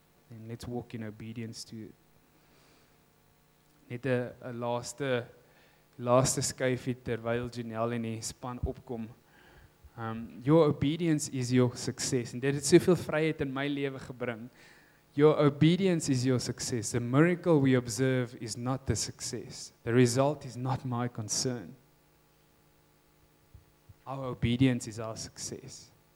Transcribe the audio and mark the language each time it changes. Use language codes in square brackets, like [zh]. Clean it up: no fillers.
[en] And let's walk in obedience to it. [af] Net 'n laaste skuifie terwyl Janelle en die span opkom. [en] Your obedience is your success. [af] En dit het soveel vryheid in my lewe gebring. [en] Your obedience is your success. The miracle we observe is not the success. The result is not my concern. Our obedience is our success.